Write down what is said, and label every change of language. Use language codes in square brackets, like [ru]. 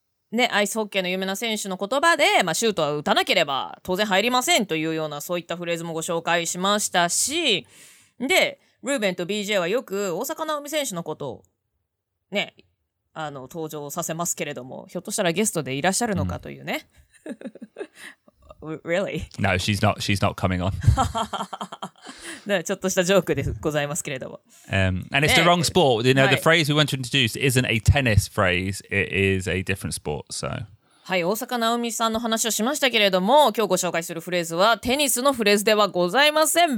[ja] ね、アイスホッケーの有名な選手の言葉で、まあ、シュートは打たなければ当然入りませんというようなそういったフレーズもご紹介しましたし、で、ルーベンと BJ はよく大坂なおみ選手のことをね、登場させますけれども、ひょっとしたらゲストでいらっしゃるのかというね。 [en] Really? No, she's not coming on. [ja] ちょっとしたジョークでございますけれども。 [en] And it's the wrong sport. You know, the phrase we want to introduce isn't a tennis phrase. It is a different sport, so. [ja] はい、大坂なおみさんの話をしましたけれども、今日ご紹介するフレーズはテニスのフレーズではございません。